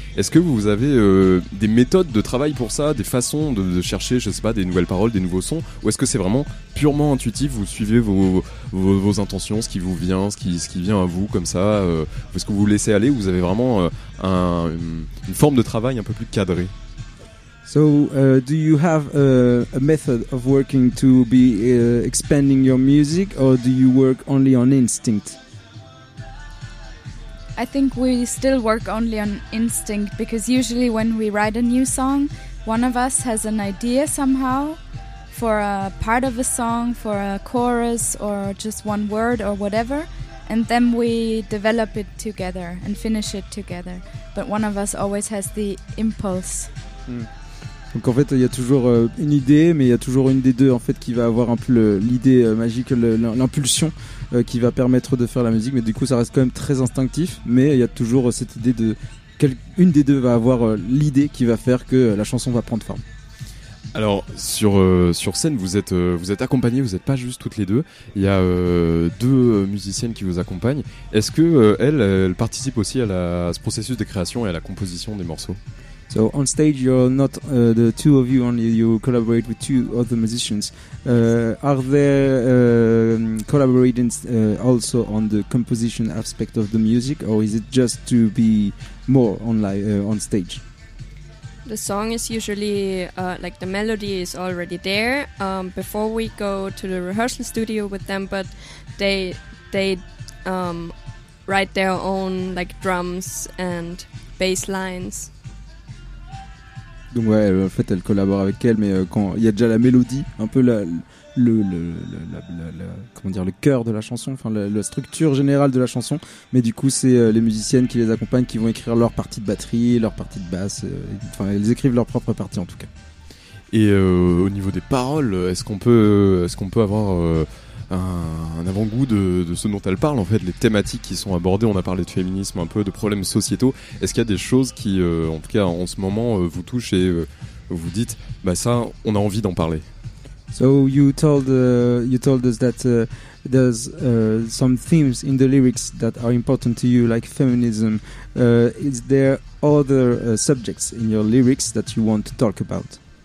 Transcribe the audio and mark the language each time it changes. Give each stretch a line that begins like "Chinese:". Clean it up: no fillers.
French: Est-ce que vous avez des méthodes de travail pour ça, des façons de chercher, je sais pas, des nouvelles paroles, des nouveaux sons? Ou est-ce que c'est vraiment purement intuitif? Vous suivez vos intentions, ce qui vous vient, ce qui vient à vous comme ça? Est-ce que vous vous laissez aller, ou vous avez vraiment une forme de travail un peu plus cadrée?
English: So, do you have a method of working to be expanding your music, or do you work only on instinct? I think we still work only on instinct, because usually when we write a new song, one of us has an idea somehow for a part of a song, for a chorus, or just one word or whatever, and then we develop it together and finish it together. But one of us always has the impulse.
French: Donc en fait, il y a toujours une idée, mais il y a toujours une des deux en fait qui va avoir un peu l'idée magique, l'impulsion qui va permettre de faire la musique. Mais du coup, ça reste quand même très instinctif. Mais il y a toujours cette idée de une des deux va avoir l'idée qui va faire que la chanson va prendre forme. Alors sur sur scène, vous êtes accompagnés, vous n'êtes pas juste toutes les deux. Il y a deux musiciennes qui vous accompagnent. Est-ce que elle participe aussi à, à ce processus de création et à la composition des morceaux?
English: So on stage, you're not the two of you only. You collaborate with two other musicians. Are they collaborating also on the composition aspect of the music, or is it just to be more on on stage? The song is usually like the melody is already there before we go to the rehearsal studio with them, but they write their own like drums and bass lines.
French: Donc ouais, en fait, elle collabore avec elle, mais quand il y a déjà la mélodie, un peu comment dire, le cœur de la chanson, enfin la structure générale de la chanson, mais du coup, c'est les musiciennes qui les accompagnent, qui vont écrire leur partie de batterie, leur partie de basse, enfin, elles écrivent leur propre partie en tout cas. Et au niveau des paroles, est-ce qu'on peut avoir un avant-goût de ce dont elle parle, en fait, les thématiques qui sont abordées? On a parlé de féminisme un peu, de problèmes sociétaux. Est-ce qu'il y a des choses qui, en tout cas, en ce moment, vous touchent et vous dites, bah ça, on a envie d'en parler?
English: So you told us that there's some themes in the lyrics that are important to you, like feminism. Is there other subjects in your lyrics that you want to talk about?